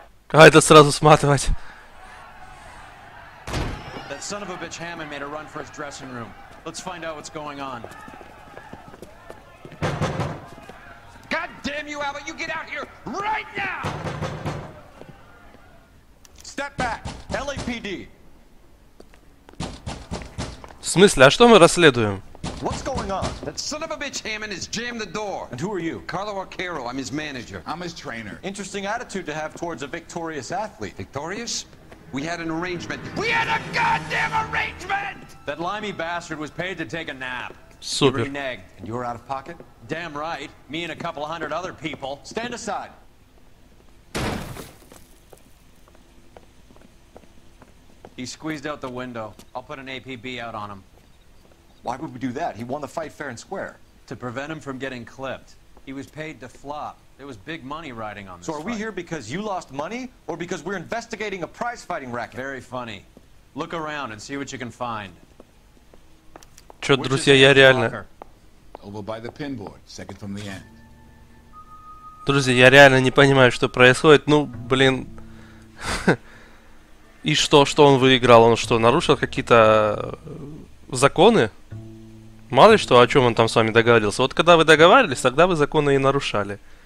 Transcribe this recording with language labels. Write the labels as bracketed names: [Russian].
[Russian] А это сразу сматывать. В смысле, а что мы расследуем? [English] That son of a bitch Hammond has jammed the door. And who are you? Carlo Arcaro. I'm his manager. I'm his trainer. Interesting attitude to have towards a victorious athlete. Victorious? We had an arrangement. We had a goddamn arrangement! That limey bastard was paid to take a nap. Super. He reneged. And you were out of pocket? Damn right. Me and a couple hundred other people. Stand aside. He squeezed out the window. I'll put an APB out on him. Why would we do that? He won the fight fair and square. To prevent him from getting clipped. He was paid to flop. There was big money riding on this. So are we here because you lost money, or because we're investigating a prize fighting racket? Very funny. Look around and see what you can find. [Russian] Чё, друзья, я реально. [English] Over by the pinboard, second from the end. [Russian] Друзья, я реально не понимаю, что происходит. Ну, блин. И что, что он выиграл? Он что, нарушил какие-то законы? Мало ли что, о чем он там с вами договорился. Вот когда вы договаривались, тогда вы законы и нарушали.